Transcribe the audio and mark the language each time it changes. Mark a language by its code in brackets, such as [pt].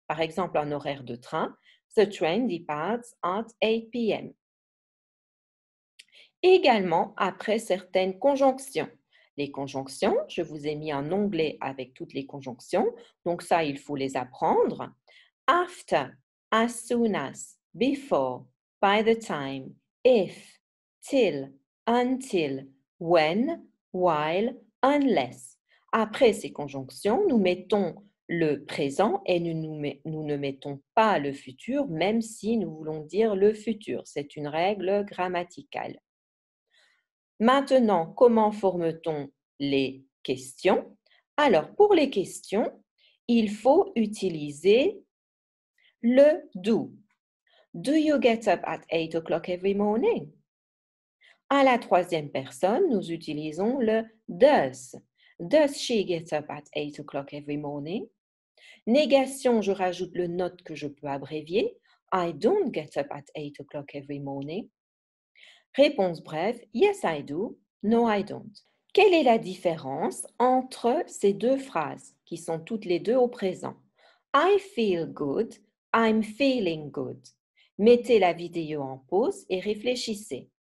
[fr] Par exemple, un horaire de train, [en] the train departs at 8 p.m. [fr] Également, après certaines conjonctions. Les conjonctions, je vous ai mis un onglet avec toutes les conjonctions, donc ça, il faut les apprendre. [en] After, as soon as, before, by the time, if, till, until, when, while, unless. [fr] Après ces conjonctions, nous mettons le présent et nous ne mettons pas le futur, même si nous voulons dire le futur. C'est une règle grammaticale. Maintenant, comment forme-t-on les questions? Alors, pour les questions, il faut utiliser le do. [en] Do you get up at 8 o'clock every morning? [fr] À la troisième personne, nous utilisons le does. [en] Does she get up at 8 o'clock every morning? [fr] Négation, je rajoute le not que je peux abrévier. [en] I don't get up at 8 o'clock every morning. [fr] Réponse brève, [en] yes I do, no I don't. [fr] Quelle est la différence entre ces deux phrases qui sont toutes les deux au présent? [en] I feel good, I'm feeling good. [fr] Mettez la vidéo en pause et réfléchissez.